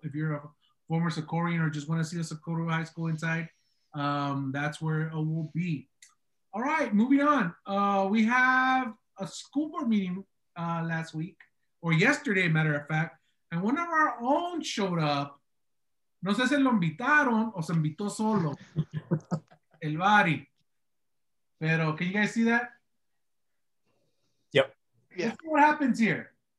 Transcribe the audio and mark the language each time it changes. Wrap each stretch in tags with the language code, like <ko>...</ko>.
<en>If you're a former Socorrian or just want to see a Socorro High School inside, that's where it will be. All right, moving on. We have a school board meeting last week, or yesterday, matter of fact, and one of our own showed up.</en> <es>No sé si lo invitaron o se invitó solo. El Bari. Pero,</es> <en>can you guys see that? Yep. Yeah. Let's see what happens here.</en>